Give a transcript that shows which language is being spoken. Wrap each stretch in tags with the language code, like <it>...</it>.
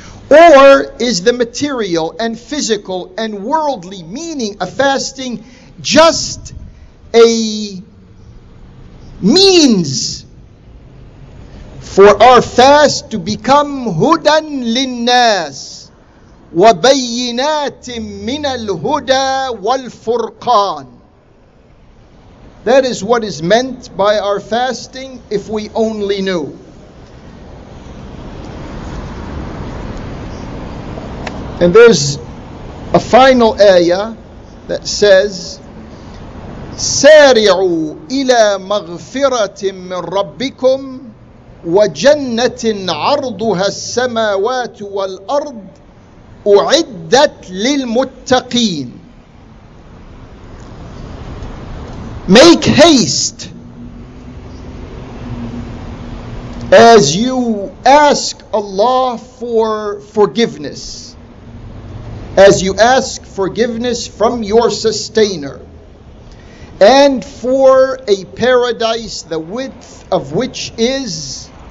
<en>Or is the material and physical and worldly meaning of fasting just a means for our fast to become hudan linnas wa bayyinatin min al-huda wal furqan? That is what is meant by our fasting, if we only knew. And there's a final ayah that says,</en> <ar>سارعوا إلى مغفرة من ربكم وجنة عرضها السماوات والأرض أعدت للمتقين.</ar> <en>Make haste as you ask Allah for forgiveness, as you ask forgiveness from your sustainer, and for a paradise the width of which is</en>